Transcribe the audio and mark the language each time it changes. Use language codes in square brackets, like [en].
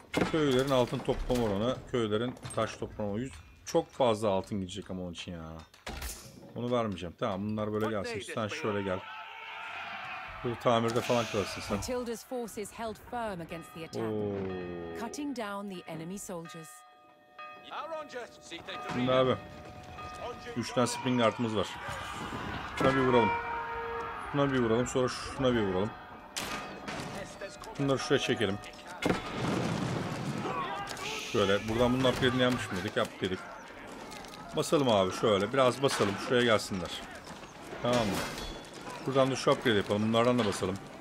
[tr] Köylülerin altın toplama oranı. Köylülerin taş toplama oranı. Çok fazla altın gidecek ama onun için ya. Onu vermeyeceğim. Tamam bunlar böyle gelsin. Sen şöyle gel. Bu tamirde falan kalırsın sen. [en] Matilda's forces held firm against the attack, cutting down the enemy soldiers. [tr] Şimdi abi, 3 tane Springart'ımız var. Şuna bir vuralım. Şuna bir vuralım, sonra şuna bir vuralım. Bunları şuraya çekelim. Şöyle, buradan bunun upgrade'ini yapmış mıydık? Yaptık dedik. Basalım abi şöyle, biraz basalım, şuraya gelsinler. Tamam mı? Buradan da şu upgrade yapalım. Bunlardan da basalım.